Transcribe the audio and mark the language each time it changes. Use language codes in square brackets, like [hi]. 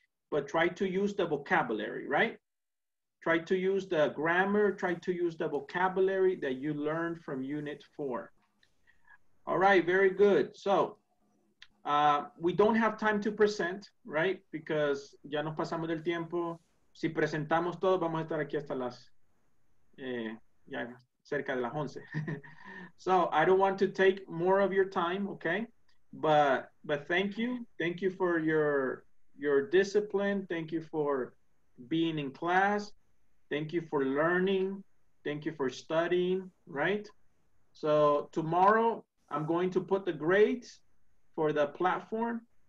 [en] But try to use the vocabulary, right? Try to use the grammar, try to use the vocabulary that you learned from unit 4. All right, very good. So, we don't have time to present, right? [es] Because ya nos pasamos del tiempo. Si presentamos todo, vamos a estar aquí hasta las, ya cerca de las 11. [en] So, I don't want to take more of your time, okay? But thank you. Thank you for your discipline. Thank you for being in class. Thank you for learning. Thank you for studying, right? So tomorrow I'm going to put the grades for the platform.